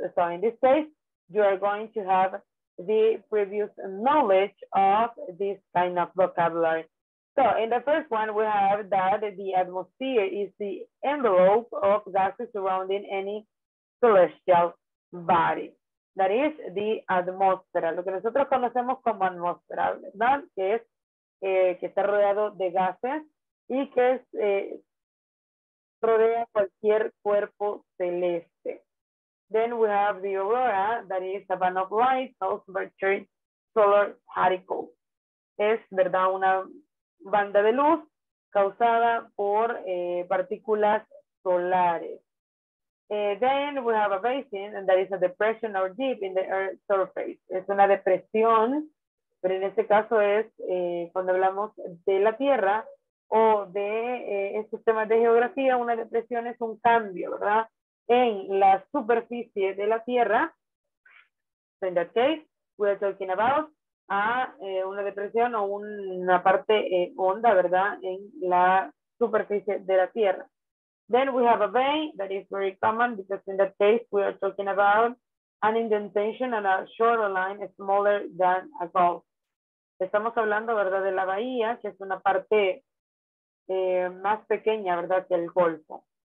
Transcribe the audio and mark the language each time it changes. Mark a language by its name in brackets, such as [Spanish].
[English] So in this case, you are going to have the previous knowledge of this kind of vocabulary. So in the first one, we have that the atmosphere is the envelope of gases surrounding any celestial body. That is the [Spanish] atmósfera, lo que nosotros conocemos como atmósfera, ¿verdad? Que es que está rodeado de gases y que es rodea cualquier cuerpo celeste. [English] Then we have the aurora, that is a band of light, also called solar particle. [Spanish] Es, ¿verdad?, una banda de luz causada por partículas solares. [English] Then we have a basin, and that is a depression or dip in the Earth's surface. [Spanish] Es una depresión, pero en este caso es cuando hablamos de la Tierra, o de estos temas de geografía, una depresión es un cambio, ¿verdad? En la superficie de la Tierra. [English] So in that case, we are talking about [Spanish] una depresión o una parte honda, ¿verdad? En la superficie de la Tierra. [English] Then we have a vein, that is very common, because in that case, we are talking about an indentation and a shoreline smaller than a gulf. [Spanish] Estamos hablando, ¿verdad? De la bahía, que es una parte más pequeña, ¿verdad?, que el golfo.